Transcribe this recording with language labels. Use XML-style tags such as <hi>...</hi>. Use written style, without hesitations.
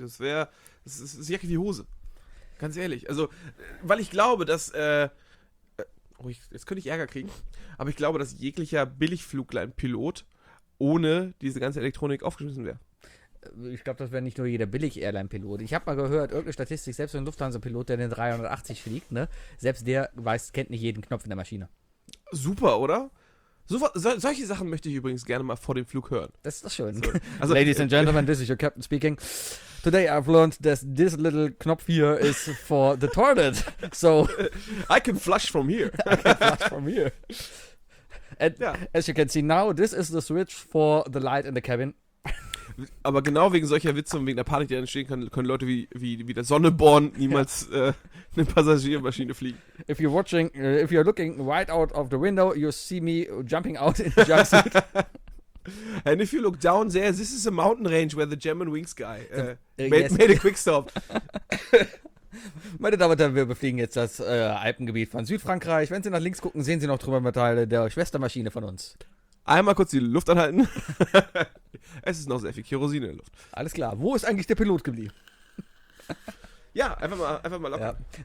<de>Das ist Jacke wie Hose. Ganz ehrlich, also, weil ich glaube, dass, jetzt könnte ich Ärger kriegen, aber ich glaube, dass jeglicher Billigfluglein-Pilot ohne diese ganze Elektronik aufgeschmissen wäre. Ich glaube, das wäre nicht nur jeder Billig-Airline-Pilot. Ich habe mal gehört, irgendeine Statistik, selbst ein Lufthansa-Pilot, der den 380 fliegt, ne, selbst der kennt nicht jeden Knopf in der Maschine. Super, oder? Solche Sachen möchte ich übrigens gerne mal vor dem Flug hören. Das ist doch schön. Also,</de> <en>Ladies and Gentlemen, this is your captain speaking. Today I've learned that this little Knopf here is for the toilet. So I can flush from here. And ja. As you can see now, this is the switch for the light in the cabin.</en> <de>Aber genau wegen solcher Witze und wegen der Panik, die entstehen kann, können Leute wie der Sonneborn niemals eine Passagiermaschine fliegen.</de> <en>If you're looking right out of the window, you see me jumping out in the jumpsuit. And if you look down there, this is a mountain range where the German Wings guy made a quick stop.</en> <de>Meine Damen und Herren, wir befliegen jetzt das Alpengebiet von Südfrankreich. Wenn Sie nach links gucken, sehen Sie noch Trümmerteile der Schwestermaschine von uns. Einmal kurz die Luft anhalten. Es ist noch sehr viel Kerosin in der Luft. Alles klar. Wo ist eigentlich der Pilot geblieben? Ja, einfach mal locker. Ja.</de>